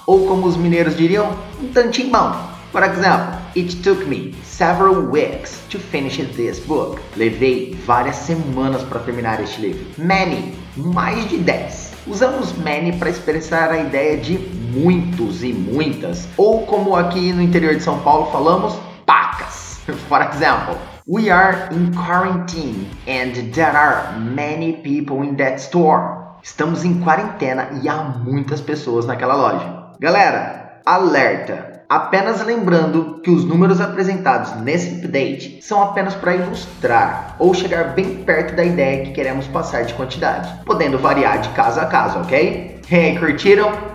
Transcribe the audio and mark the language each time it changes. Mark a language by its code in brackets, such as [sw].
[pt] Ou como os mineiros diriam, um tantinho bom. Por exemplo, [en] it took me several weeks to finish this book. [pt] Levei várias semanas para terminar este livro. Many, mais de 10. Usamos many para expressar a ideia de muitos e muitas, ou como aqui no interior de São Paulo falamos, pacas. [en] For example, we are in quarantine and there are many people in that store. [pt] Estamos em quarentena e há muitas pessoas naquela loja. Galera, alerta! Apenas lembrando que os números apresentados nesse update são apenas para ilustrar ou chegar bem perto da ideia que queremos passar de quantidade, podendo variar de caso a caso, ok? Hey, curtiram?